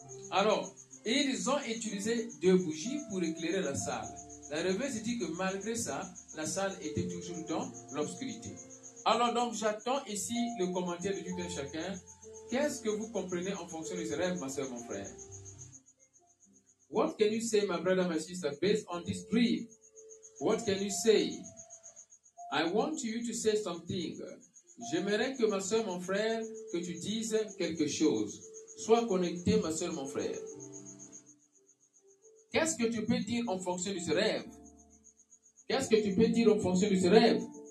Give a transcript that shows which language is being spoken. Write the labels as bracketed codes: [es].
[fr] Alors, ils ont utilisé deux bougies pour éclairer la salle. La rêveuse dit que malgré ça, la salle était toujours dans l'obscurité. Alors donc, j'attends ici le commentaire de tout un chacun. Qu'est-ce que vous comprenez en fonction de ce rêve, ma soeur, mon frère? [en] What can you say, my brother, my sister, based on this dream? What can you say? I want you to say something. [fr] J'aimerais que ma soeur, mon frère, que tu dises quelque chose. Sois connecté, ma soeur, mon frère. Qu'est-ce que tu peux dire en fonction de ce rêve? Qu'est-ce que tu peux dire en fonction de ce rêve?